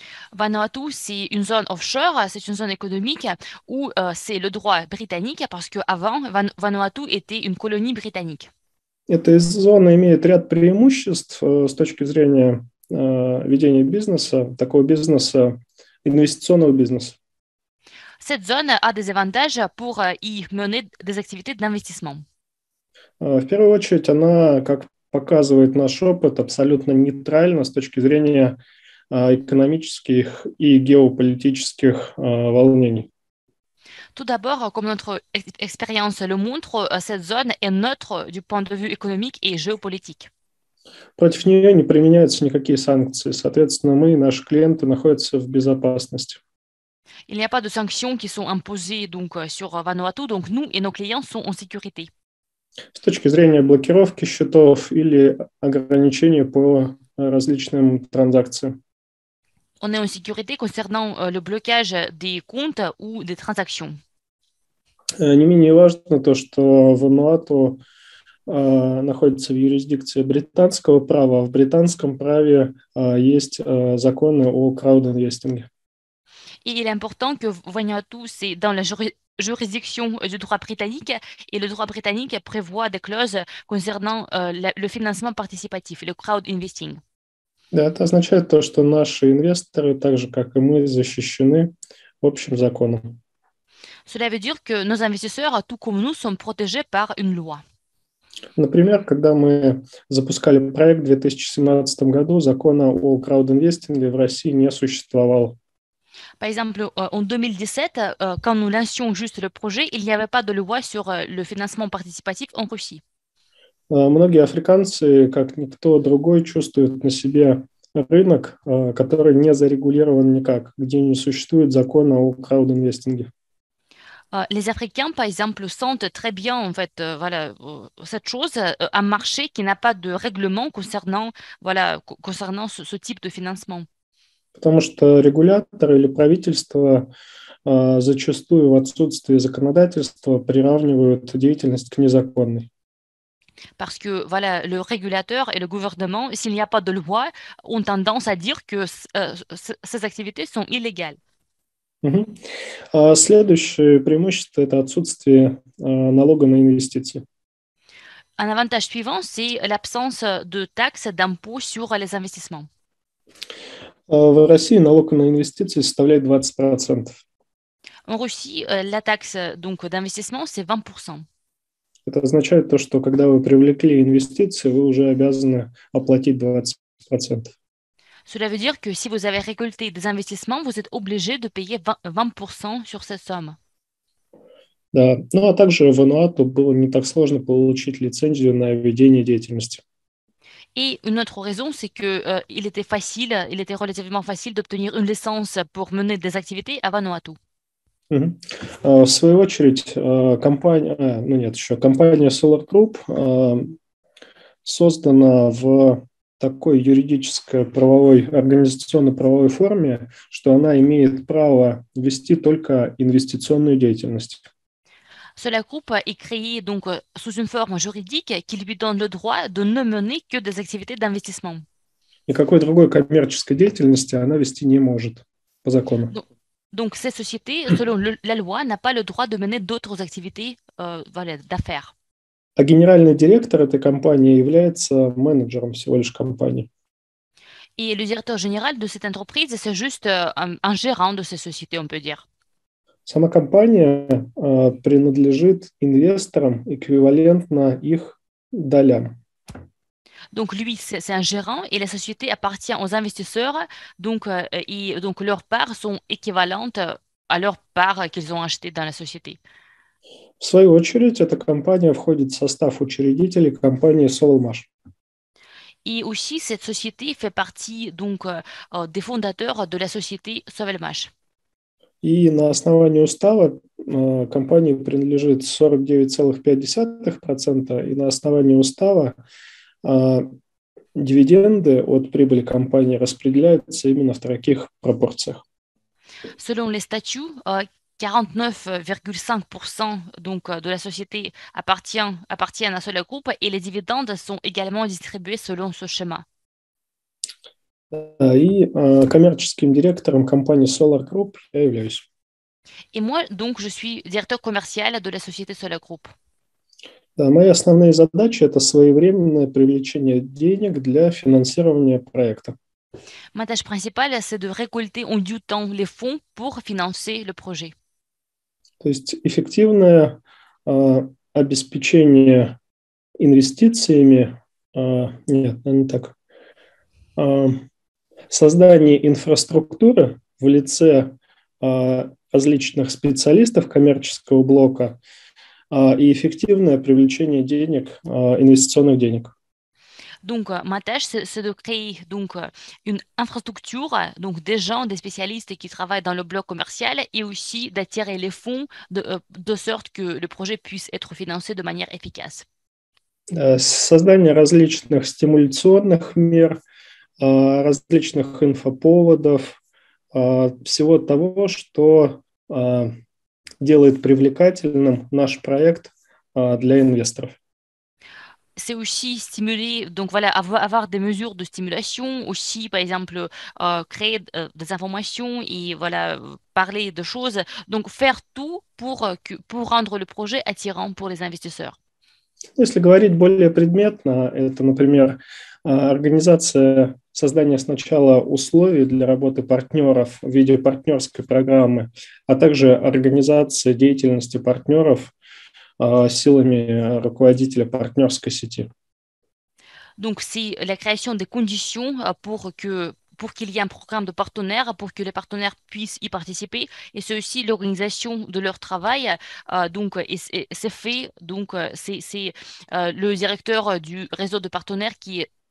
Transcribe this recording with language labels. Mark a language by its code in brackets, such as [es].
[fr] Vanuatu, c'est une zone offshore, c'est une zone économique où c'est le droit britannique, parce qu'avant, Vanuatu était une colonie britannique. [ru] Эта зона имеет ряд преимуществ с точки зрения ведения бизнеса, такого бизнеса, инвестиционного бизнеса. [fr] Cette zone a des avantages pour y mener des activités d'investissement. [ru] В первую очередь, она, как показывает наш опыт, абсолютно нейтральна с точки зрения экономических и геополитических волнений. [fr] Tout d'abord, comme notre expérience le montre, cette zone est neutre du point de vue économique et géopolitique. [ru] Против нее не применяются никакие санкции. Соответственно, мы и наши клиенты находятся в безопасности. [fr] Il n'y a pas de sanctions qui sont imposées donc sur Vanuatu, donc nous et nos clients sont en sécurité. [ru] С точки зрения блокировки счетов или ограничений по различным транзакциям. [fr] On est en sécurité concernant le blocage des comptes ou des transactions. [ru] Не менее важно то, что Вануату находится в юрисдикции британского права. В британском праве есть законы о краудинвестинге. [fr] Et il est important que Vanuatu c'est dans la juridiction du droit britannique et le droit britannique prévoit des clauses concernant le financement participatif, le crowdinvesting. [ru] Да, это означает то, что наши инвесторы, так же как и мы, защищены общим законом. [fr] Cela veut dire que nos investisseurs, tout comme nous, sont protégés par une loi. [ru] Например, когда мы запускали проект в 2017 году, закона о краудинвестинге в России не существовало. [fr] Par exemple, en 2017, quand nous lancions juste le projet, il n'y avait pas de loi sur le financement participatif en Russie. [ru] Многие африканцы, как никто другой, чувствуют на себе рынок, который не зарегулирован никак, где не существует закона о краудинвестинге. [fr] Les Africains, par exemple, sentent très bien en fait, voilà, cette chose, un marché qui n'a pas de règlement concernant, voilà, concernant ce type de financement. [ru] Потому что регуляторы или правительство зачастую в отсутствии законодательства приравнивают деятельность к незаконной. [fr] Parce que voilà, le régulateur et le gouvernement, s'il n'y a pas de loi, ont tendance à dire que ces activités sont illégales. [ru] Следующее преимущество – это отсутствие налога на инвестиции. [fr] Un avantage suivant, c'est l'absence de taxes d'impôts sur les investissements. [ru] В России налог на инвестиции составляет 20%. [fr] En Russie, la taxe donc d'investissement, c'est 20%. [ru] Это означает то, что когда вы привлекли инвестиции, вы уже обязаны оплатить 20%. [fr] Cela veut dire que si vous avez récolté des investissements, vous êtes obligé de payer 20% sur cette somme. [ru] Да. Ну а также в Вануату было не так сложно получить лицензию на ведение деятельности. [fr] Et une autre raison, c'est que il était facile, il était relativement facile d'obtenir une licence pour mener des activités à Vanuatu. [ru] В свою очередь, компания, ну нет, еще компания Solar Group создана в такой юридической правовой, организационно-правовой форме, что она имеет право вести только инвестиционную деятельность. [fr] Solar Group est créée donc sous une forme juridique qui lui donne le droit de ne mener que des activités d'investissement. [ru] Никакой другой коммерческой деятельности она вести не может по закону. [fr] Donc cette société, selon la loi, n'a pas le droit de mener d'autres activités d'affaires. [ru] А генеральный директор этой компании является менеджером всего лишь компании. [fr] Et le directeur général de cette entreprise, c'est juste un gérant de cette société, on peut dire. [ru] Сама компания принадлежит инвесторам эквивалентно их долям. [fr] Donc lui, c'est un gérant et la société appartient aux investisseurs. Donc leurs parts sont équivalentes à leurs parts qu'ils ont achetées dans la société. [ru] В свою очередь, эта компания входит в состав учредителей компании Solmash. [fr] Et aussi, cette société fait partie donc des fondateurs de la société Solmash. [ru] И на основании устава компании принадлежит 49,5%, и на основании устава дивиденды от прибыли компании распределяются именно в таких пропорциях. [fr] Selon les statuts, 49,5% donc de la société appartient à Solar Group et les dividendes sont également distribués selon ce schéma. [ru] И коммерческим директором компании Solar Group я являюсь. [fr] Et moi donc je suis directeur commercial de la société Solar Group. [ru] Да, мои основные задачи – это своевременное привлечение денег для финансирования проекта. [fr] Ma tâche principale, c'est de récolter en due temps les fonds pour financer le projet. [ru] То есть эффективное обеспечение инвестициями, создание инфраструктуры в лице различных специалистов коммерческого блока и эффективное привлечение денег, инвестиционных денег. [fr] Donc, ma tâche, c'est de créer donc, une infrastructure, donc des gens, des spécialistes qui travaillent dans le bloc commercial et aussi d'attirer les fonds de sorte que le projet puisse être financé de manière efficace. [ru] Создание различных стимуляционных мер, различных инфоповодов, всего того, что делает привлекательным наш проект для инвесторов. [fr] C'est aussi stimuler, donc voilà, avoir des mesures de stimulation, aussi, par exemple, créer des informations et voilà, parler de choses. Donc, faire tout pour rendre le projet attirant pour les investisseurs. [ru] Если говорить более предметно, это, например, организация создания сначала условий для работы партнеров в виде партнерской программы, а также организация деятельности партнеров силами руководителя партнерской сети. [fr] Donc c'est la création des conditions pour qu'il y ait un programme de partenaires, pour que les partenaires puissent y participer, et c'est aussi l'organisation de leur travail. C'est le directeur du réseau de partenaires qui